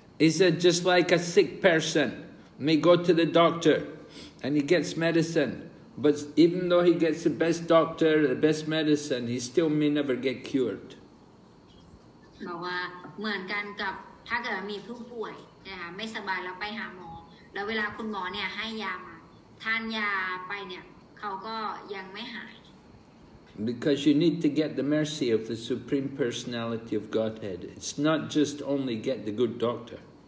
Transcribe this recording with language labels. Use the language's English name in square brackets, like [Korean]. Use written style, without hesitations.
[English] Is it just like a sick person may go to the doctor and he gets medicine? But even though he gets the best doctor, the best medicine, he still may never get cured. [Thai] เราว่าเหมือนกันกับถ้าเกิดมีผู้ป่วยนะคะไม่สบายแล้วไปหาหมอแล้วเวลาคุณหมอเนี่ยให้ยามาทานยาไปเนี่ยเขาก็ยังไม่หาย [English] Because you need to get the mercy of the Supreme Personality of Godhead. It's not just only get the good doctor.